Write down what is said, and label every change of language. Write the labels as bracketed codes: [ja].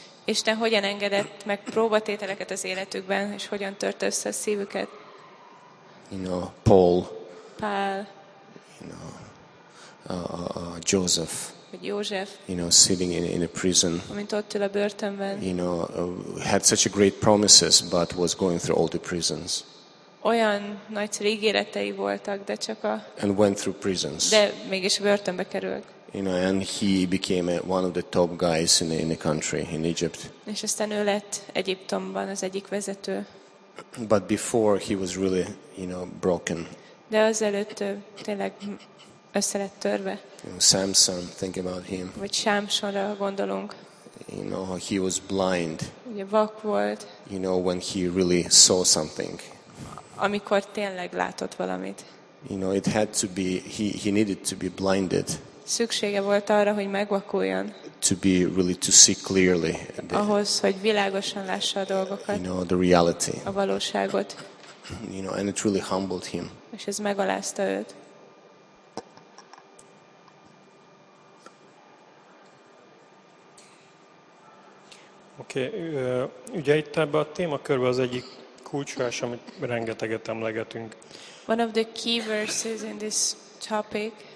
[hu] Isten hogyan engedett meg próbatételeket az életükben, és hogyan törte össze a szívüket. [en] You know, Paul. [hu] Pál. [en] You know, Joseph. [hu] Vagy József. [en] You know, sitting in a prison. [hu] Amint ott ül a börtönben. [en] You know, had such a great promises, but was going through all the prisons. [hu] Olyan nagy ígéretei voltak, de csak a. [en] And went through prisons. [hu] De mégis börtönbe került. [en] You know, and he became one of the top guys in the country, in Egypt. [hu] És aztán ő lett Egyiptomban az egyik vezető. [en] But before he was really, you know, broken. [hu] De azelőtt tényleg össze lett törve. [en] You know, Samson, think about him. [hu] Vagy Sámsonra gondolunk. [en] You know, he was blind. [hu] Ugye vak volt. [en] You know, when he really saw something. [hu] Amikor tényleg látott valamit. [en] You know, it had to be, he needed to be blinded. [hu] Szüksége volt arra, hogy megvakuljon. [en] To be really to see clearly. [hu] Ahhoz, hogy világosan lássa a dolgokat. [en] You know, the reality. [hu] A valóságot. [en] You know, and it really humbled him. [hu] És ez megalázta őt. Oké, ugye itt ebben a témakörben az egyik kulcsvers, amit rengeteget emlegetünk. [en] One of the key verses in this topic.